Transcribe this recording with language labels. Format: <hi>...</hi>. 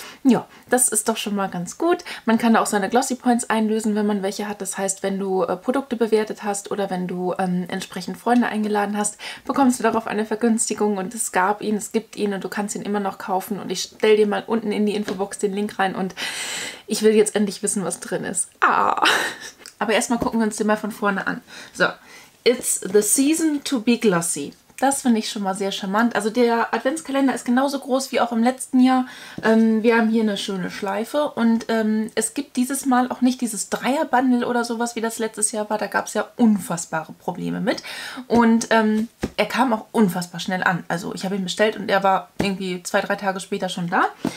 <de>Ja, das ist doch schon mal ganz gut. Man kann auch seine Glossy-Points einlösen, wenn man welche hat. Das heißt, wenn du Produkte bewertet hast oder wenn du entsprechend Freunde eingeladen hast, bekommst du darauf eine Vergünstigung und es gab ihn, es gibt ihn und du kannst ihn immer noch kaufen. Und ich stelle dir mal unten in die Infobox den Link rein und ich will jetzt endlich wissen, was drin ist. Ah! Aber erstmal gucken wir uns den mal von vorne an. So.</de> <en>It's the season to be glossy.</en> <de>Das finde ich schon mal sehr charmant. Also der Adventskalender ist genauso groß wie auch im letzten Jahr. Wir haben hier eine schöne Schleife und es gibt dieses Mal auch nicht dieses Dreier-Bundle oder sowas, wie das letztes Jahr war. Da gab es ja unfassbare Probleme mit. Und er kam auch unfassbar schnell an. Also ich habe ihn bestellt und er war irgendwie 2-3 Tage später schon da.</de>